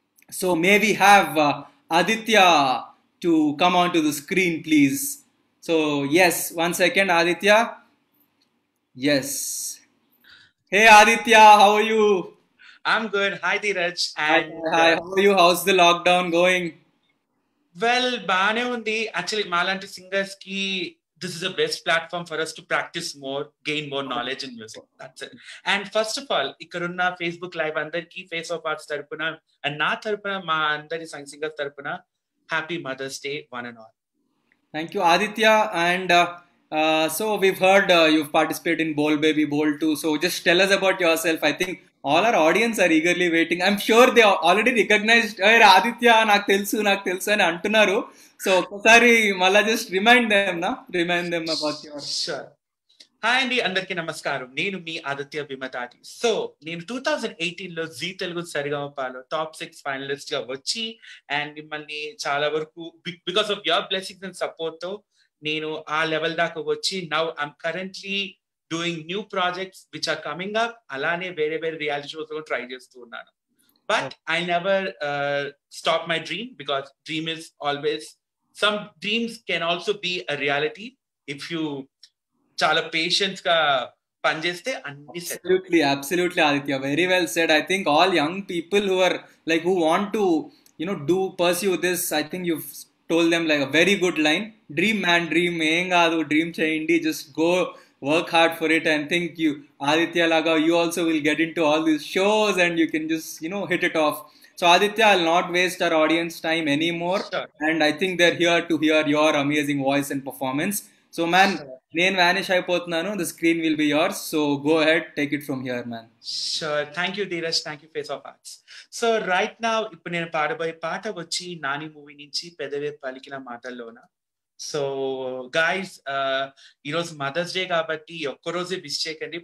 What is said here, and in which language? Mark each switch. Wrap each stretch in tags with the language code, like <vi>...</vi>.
<en>So may we have Aditya to come onto the screen, please. So yes, one second, Aditya. Yes. Hey Aditya, how are you? I'm good. Hi, Dheeraj. Hi, And hi, how are you? How's the lockdown going?</en> <te>well, బానే ఉంది.</te> <en>Actually మాలాంటి singers కి this is the best platform for us to practice more, gain more knowledge in music. That's it.</en> <te>And first of all, ఇక్కడ ఉన్న Facebook live అందరికీ face of arts తరపున and నా తరపున మా అందరి సింగర్స్ తరపున happy mother's day one and all.</te> <en>Thank you, Aditya. And so we've heard you've participated in Bold Baby Bold 2. So just tell us about yourself. I think all our audience are eagerly waiting. I'm sure they already recognized Aditya,</en> <te>naak telsu ani antunaru.</te> <en>So sorry, mala just remind them about your.</en> <te>Sure. Hi అండి, అందరికీ నమస్కారం. నేను మీ Aditya భీమదాది. So నేను 2018 లో G Telugu సరిగమపాలో top 6 finalist గా వచ్చి and మిమ్మల్ని చాలా వరకు</te> <en>because of your blessings and support</en> <te>తో నేను ఆ లెవెల్ దాకా వచ్చి</te> <en>Now I'm currently doing new projects which are coming up.</en> <te>అలానే వేరే వేరే రియాలిటీ షోస్ కూడా ట్రై చేస్తూ ఉన్నాను.</te> <en>but I never stop my dream,</en> <te>because dream is always, some dreams can also be a reality if you చాలా patience గా పనిచేస్తే అన్ని set.</te> <en>Absolutely, absolutely, Aditya. Very well said. I think all young people who are like who want to, do pursue this, I think you've told them like a very good line. Dream man, dream</en> <te>ఏం కాదు,</te> <en>dream</en> <te>చేయండి,</te> <en>just go work hard for it and think you, Aditya laga, you also will get into all these shows and you can just, hit it off. So Aditya, I'll not waste our audience time anymore. Sure. And I think they're here to hear your amazing voice and performance. So man, Sure.</en> <te>నేను vanish అయిపోతున్నాను,</te> <en>The screen will be yours, so go ahead, take it from here man. Sure. Thank you, Dheeraj. Thank you, Face of Arts. So right now,</en> <te>ఇప్పుడు నేను పాడబోయే పాట వచ్చి Nani movie నుంచి పెదవి పలికిన మాటల్లోన. So guys, ఈరోజు మదర్స్ డే కాబట్టి ఒక్కరోజే విష్ చేయకండి.</te>